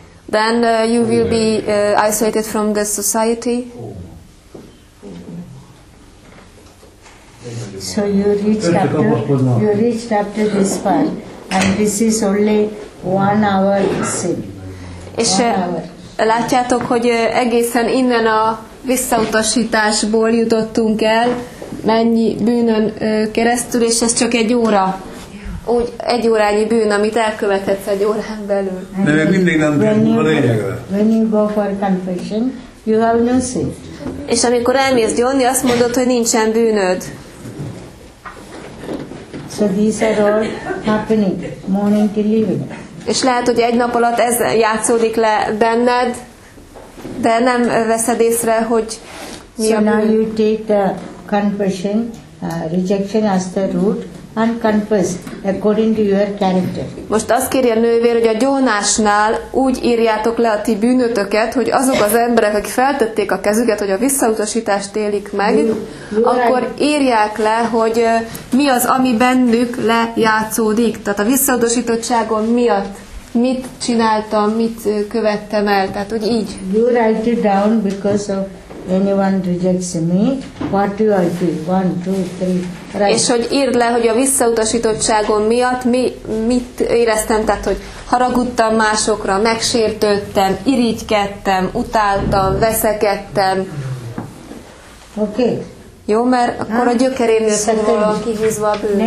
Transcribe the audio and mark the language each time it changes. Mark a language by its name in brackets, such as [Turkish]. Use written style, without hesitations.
[English] Then you will be isolated from the society. So you reached after this part, and this is only 1 hour sin. [Hungarian] És látjátok, hogy egészen innen a visszautasításból jutottunk el, mennyi bűnön keresztül, és ez csak egy óra. Úgy egy órányi bűn, amit elkövethetsz egy órán belül. De még mindig nem tudom a lényegre. [English] When you go for confession, you have no sin. [Hungarian] És amikor elmész gyónni, azt mondod, hogy nincsen bűnöd. [English] So these are all happening, morning till evening. [Hungarian] És lehet, hogy egy nap alatt ez játszódik le benned, de nem veszed észre, hogy mi so a bűn. [English] So now you take the confession, rejection as the root, and confess according to your character. [Hungarian] Most azt kéri a nővér, hogy a gyónásnál úgy írjátok le a ti bűnötöket, hogy azok az emberek, akik feltették a kezüket, hogy a visszautasítást élik meg, akkor írják le, hogy mi az, ami bennük lejátszódik. Tehát a visszautasítottságom miatt mit csináltam, mit követtem el. Tehát, hogy így. [English] You write it down because of anyone rejects me, what do I do? 1, 2, 3. Right. [Hungarian] És hogy írd le, hogy a visszautasítottságom miatt mit éreztem, tehát hogy haragudtam másokra, megsértődtem, irigykedtem, utáltam, veszekedtem. [English] Okay. [Hungarian] Jó, mert akkor a gyökerén jöttem volna kihúzva a bűn.